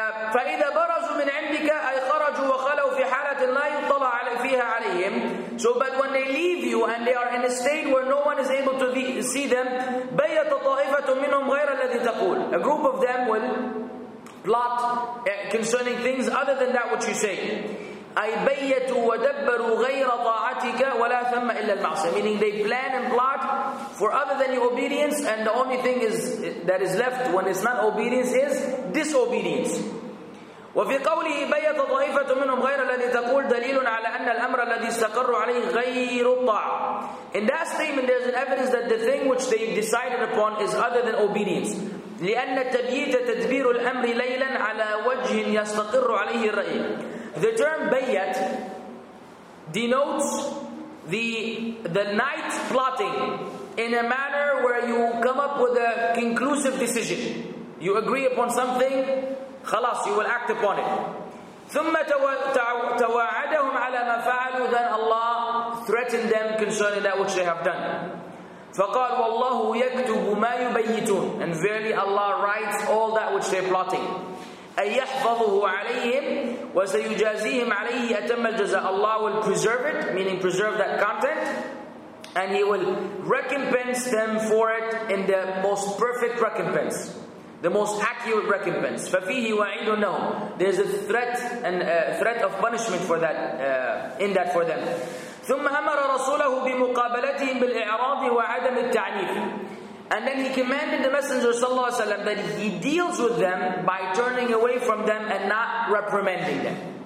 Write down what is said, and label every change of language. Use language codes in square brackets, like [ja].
[ar] فَإِذَا بَرَزُوا مِنْ عِنْدِكَ أَيْ خَرَجُوا وَخَلَوْا فِي حَالَةٍ لَا يُطَّلَعَ فِيهَا عَلَيْهِمْ, [en] So, but when they leave you and they are in a state where no one is able to see them, [ar] بَيَّتَ طَائِفَةٌ مِّنْهُمْ غَيْرَ الَّذِي تَقُولُ. [en] A group of them will plot concerning things other than that which you say. [ar] أي بيتوا ودبروا غير طاعتك ولا ثم إلا المعصية. [en] Meaning they plan and plot for other than your obedience, and the only thing is that is left when it's not obedience is disobedience. [ar] وفي قوله بيت طائفة منهم غير الذي تقول دليل على أن الأمر الذي استقروا عليه غير الطاعة. [en] In that statement there is an evidence that the thing which they decided upon is other than obedience. [ar] لأن التبييت تدبير الأمر ليلا على وجه يستقر عليه الرأي. [en] The term bayat denotes the night plotting in a manner where you come up with a conclusive decision. You agree upon something, خلاص, you will act upon it. [ar] ثم تواعدهم على ما فعلوا, [en] then Allah threatened them concerning that which they have done. [ar] فقال والله يكتب ما يبيتون, [en] and verily Allah writes all that which they are plotting. [ar] أن يحفظه عليهم وسيجازيهم عليه أتم الجزاء. [en] Allah will preserve it, meaning preserve that content, and He will recompense them for it in the most perfect recompense, the most accurate recompense. [ar] ففيه وعيد لهم. [en] There's a threat and a threat of punishment for that in that for them. [ar] ثم أمر رسوله بمقابلتهم بالإعراض وعدم التعنيف. [en] And then he commanded the Messenger sallallahu alaihi wasallam that he deals with them by turning away from them and not reprimanding them.